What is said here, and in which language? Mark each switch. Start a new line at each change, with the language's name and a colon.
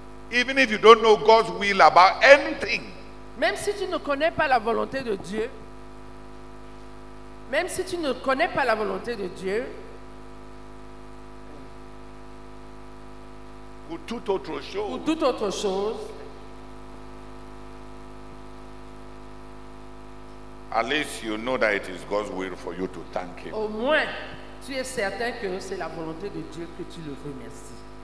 English: even if you don't know God's will about anything,
French: même si tu ne connais pas la volonté de Dieu, même si tu ne connais pas la volonté de Dieu, ou toute autre chose, ou toute autre chose.
English: At least you know that it is God's will for you to thank him.
French: Au moins, tu es certain que c'est la volonté de Dieu que tu le remercies.